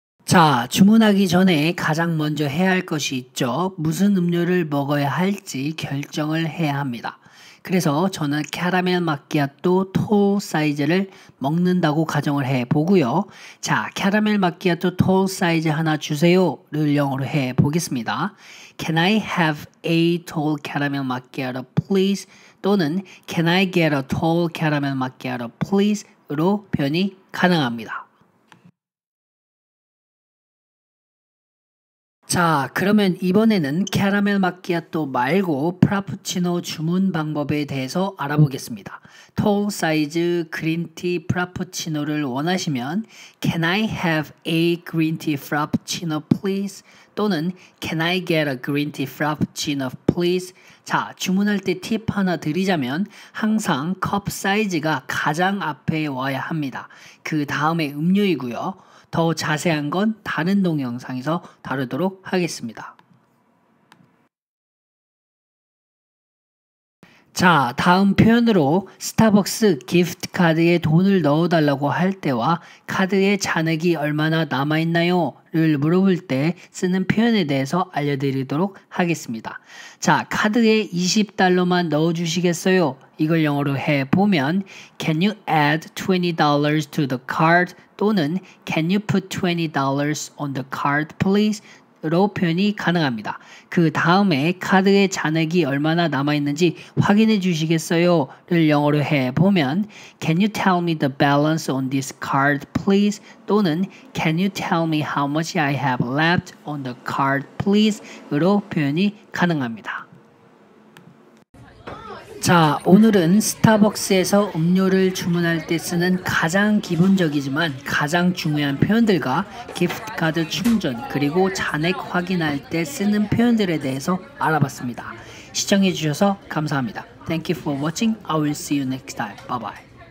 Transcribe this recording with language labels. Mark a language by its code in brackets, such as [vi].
[ko] 자, 주문하기 전에 가장 먼저 해야 할 것이 있죠. 무슨 음료를 먹어야 할지 결정을 해야 합니다. 그래서 저는 캐러멜 마키아토 토 사이즈를 먹는다고 가정을 해보고요. 자, 캐러멜 마키아토 토 사이즈 하나 주세요 를 영어로 해보겠습니다. [en] Can I have a tall caramel macchiato please? [ko] 또는 [en] Can I get a tall caramel macchiato please? [ko] 으로 표현이 가능합니다. 자, 그러면 이번에는 캐러멜 마키아토 말고 프라푸치노 주문 방법에 대해서 알아보겠습니다. 톨 사이즈 그린티 프라푸치노를 원하시면 [en] Can I have a green tea frappuccino please? [ko] 또는 [en] Can I get a green tea frappuccino please? [ko] 자, 주문할 때 팁 하나 드리자면 항상 컵 사이즈가 가장 앞에 와야 합니다. 그 다음에 음료이고요. 더 자세한 건 다른 동영상에서 다루도록 하겠습니다. 자, 다음 표현으로 스타벅스 기프트 카드에 돈을 넣어달라고 할 때와 카드에 잔액이 얼마나 남아있나요? 를 물어볼 때 쓰는 표현에 대해서 알려드리도록 하겠습니다. 자, 카드에 $20만 넣어주시겠어요? 이걸 영어로 해보면 [en] Can you add $20 to the card? [ko] 또는 [en] Can you put $20 on the card, please? [ko] 로 표현이 가능합니다. 그 다음에 카드의 잔액이 얼마나 남아있는지 확인해 주시겠어요? 를 영어로 해보면 [en] Can you tell me the balance on this card, please? [ko] 또는 [en] Can you tell me how much I have left on the card, please? [ko] 로 표현이 가능합니다. 자, 오늘은 스타벅스에서 음료를 주문할 때 쓰는 가장 기본적이지만 가장 중요한 표현들과 기프트카드 충전 그리고 잔액 확인할 때 쓰는 표현들에 대해서 알아봤습니다. 시청해주셔서 감사합니다. [en] Thank you for watching. I will see you next time. Bye bye.